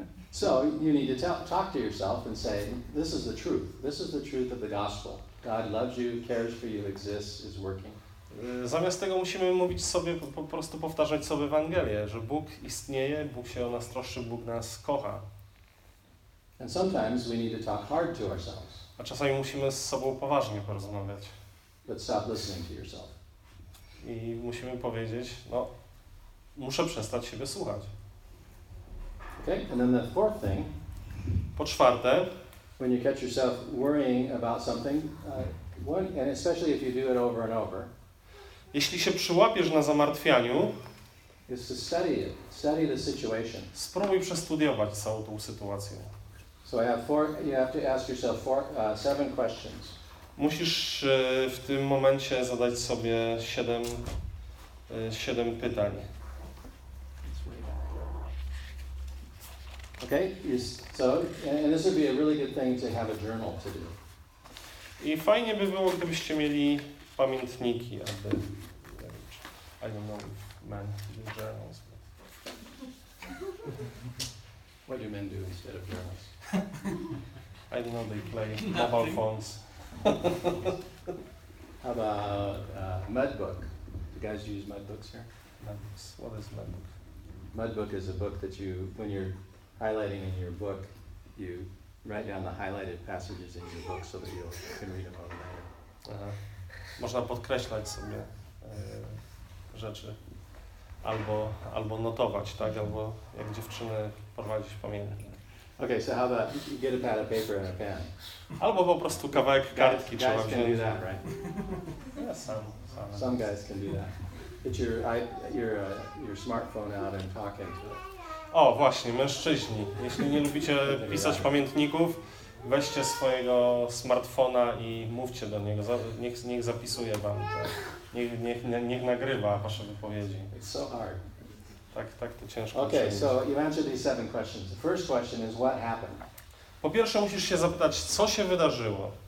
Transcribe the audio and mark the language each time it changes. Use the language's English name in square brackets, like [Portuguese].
[English] So you need to talk to yourself and say, this is the truth. This is the truth of the gospel. God loves you, cares for you, exists, is working. [Polish] Zamiast tego musimy mówić sobie, po prostu powtarzać sobie Ewangelię, że Bóg istnieje, Bóg się o nas troszczy, Bóg nas kocha. [English] And sometimes we need to talk hard to ourselves. [Polish] A czasami musimy z sobą poważnie porozmawiać. [English] But stop listening to yourself. [Polish] I musimy powiedzieć, no, muszę przestać siebie słuchać. [English] Okay, and then the fourth thing. [Polish] Po czwarte, [English] when you catch yourself worrying about something, and especially if you do it over and over. [Polish] Jeśli się przyłapiesz na zamartwianiu, [English] is to study the situation. [Polish] Spróbuj przestudiować całą tą sytuację. [English] So I have you have to ask yourself seven questions. [Polish] Musisz w tym momencie zadać sobie siedem pytań. [English] Okay, so and this would be a really good thing to have a journal to do. [Polish] I fajnie by było, gdybyście mieli pamiętniki, aby [English] I don't know if men do journals. But... What do men do instead of journals? I don't know. They play mobile phones. How about MudBook? Do you guys use MudBooks here? MudBooks. What is MudBook? MudBook is a book that you, when you're highlighting in your book, you write down the highlighted passages in your book so that you can read them over later. [Polish] Można podkreślać sobie rzeczy, albo notować, tak, albo jak dziewczyny prowadzić pamiętnik. [English] Okay, so how about you get a pad of paper and a pen? [Polish] Albo po prostu kawałek kartki trzeba wziąć. [English] Guys can do that, right? Yeah, some guys can do that. Get your smartphone out and talk into it. [Polish] O, właśnie, mężczyźni, jeśli nie lubicie pisać pamiętników, weźcie swojego smartfona i mówcie do niego, niech zapisuje wam to, niech nagrywa wasze wypowiedzi. [English] It's so hard. [Polish] Tak to ciężko. [English] Okay, so you answered these seven questions. The first question is what happened? [Polish] Po pierwsze musisz się zapytać, co się wydarzyło?